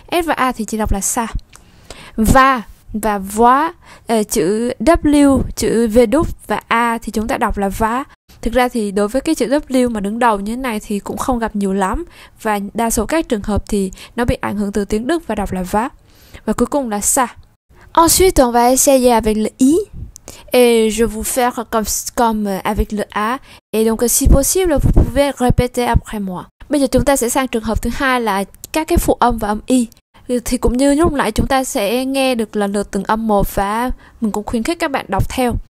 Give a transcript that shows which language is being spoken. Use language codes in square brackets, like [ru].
[vi] S và A thì chỉ đọc là xa. Và vá. Chữ W, chữ V đúc và A thì chúng ta đọc là vá. Thực ra thì đối với cái chữ W mà đứng đầu như thế này thì cũng không gặp nhiều lắm. Và đa số các trường hợp thì nó bị ảnh hưởng từ tiếng Đức và đọc là vá. Và cuối cùng là xa. [fr] Ensuite, on va essayer avec le I et je vais vous faire comme avec le A. Et donc, si possible, vous pouvez répéter après moi. [vi] Bây giờ, chúng ta sẽ sang trường hợp thứ hai là các cái phụ âm và âm I. Thì cũng như lúc nãy, chúng ta sẽ nghe được lần lượt từng âm một và mình cũng khuyến khích các bạn đọc theo.